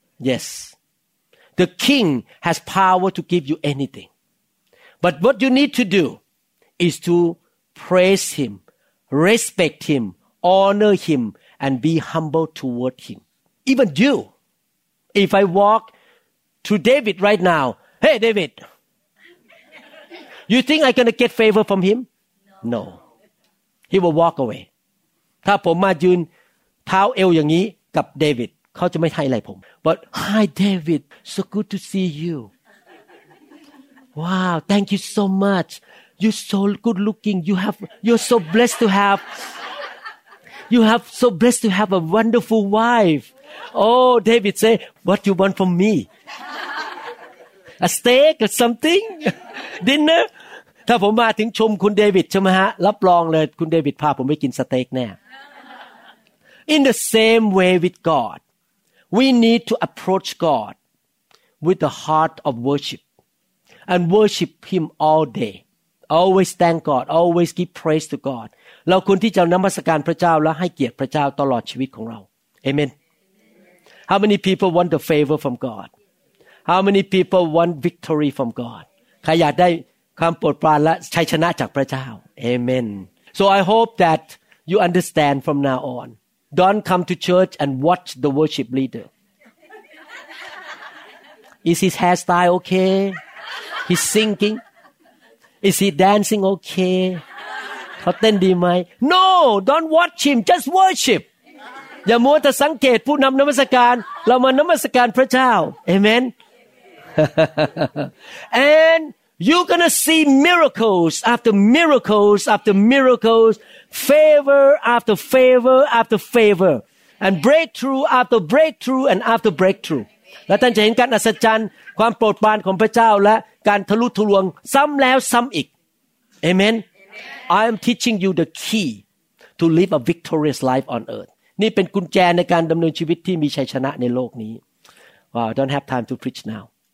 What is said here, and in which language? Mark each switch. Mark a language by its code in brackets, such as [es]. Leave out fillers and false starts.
[en] yes the king has power to give you anything but what you need to do is to praise him respect him honor him and be humble toward him even you if I walk to David right now hey David you think I'm gonna get favor from him no He will walk away. [th] ถ้าผมมายืนเท้าเอวอย่างนี้กับเดวิดเขาจะไม่ให้อะไรผม [en] But hi David, so good to see you. Wow, thank you so much. You're so good looking. You're so blessed to have. you have so blessed to have a wonderful wife. Oh, David say, what you want from me? A steak or something? Dinner? [th] ถ้าผมมาถึงชมคุณเดวิดใช่ไหมฮะรับรองเลยคุณเดวิดพาผมไปกินสเต็กแน่ [en] In the same way with God, we need to approach God with the heart of worship and worship Him all day. Always thank God. Always give praise to God. [th] เราควรที่จะนมัสการพระเจ้าและให้เกียรติพระเจ้าตลอดชีวิตของเรา Amen. [en] How many people want the favor from God? How many people want victory from God? [th] ใครอยากได้ความโปรดปรานและชัยชนะจากพระเจ้า Amen. [en] So I hope that you understand from now on. Don't come to church and watch the worship leader. Is his hairstyle okay? He's singing. Is he dancing okay? [th] เขาเต้นดีไหม [en] No, don't watch him. Just worship. [th] อย่ามัวแต่สังเกตผู้นำนมัสการเรามานมัสการพระเจ้า Amen. [en] AndYou're gonna see miracles after miracles after miracles, favor after favor after favor, and breakthrough after breakthrough and after breakthrough. [th] และท่านจะเห็นการอัศจรรย์ความโปรดปรานของพระเจ้าและการทะลุทะลวงซ้ำแล้วซ้ำอีก Amen. [en] I am teaching you the key to live a victorious life on earth. [th] นี่เป็นกุญแจในการดำเนินชีวิตที่มีชัยชนะในโลกนี้ [en] Wow, don't have time to preach now.